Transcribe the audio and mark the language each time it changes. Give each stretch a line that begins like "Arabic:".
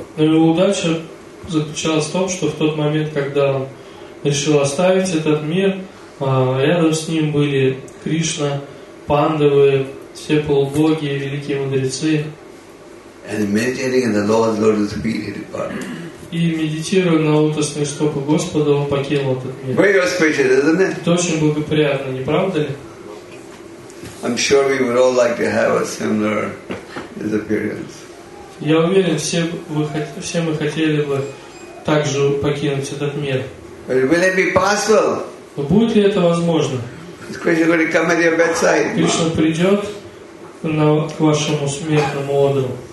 Russian: Но его удача заключалась в том, что в тот момент, когда он решил оставить этот мир, рядом с ним были Кришна, Пандавы, все полубоги и великие мудрецы.
English: And meditating in the Lord's feet, he departed.
Russian: И медитируя на лотосные стопы Господа, он покинул этот мир.
English: Very auspicious, isn't it?
Russian: Это очень благоприятно, не правда ли?
English: I'm sure we would all like to have a similar disappearance.
Russian: Я уверен, все мы хотели бы также покинуть этот мир.
English: But will it be possible?
Russian: Но будет ли это возможно? Кришна придет к вашему смертному одру.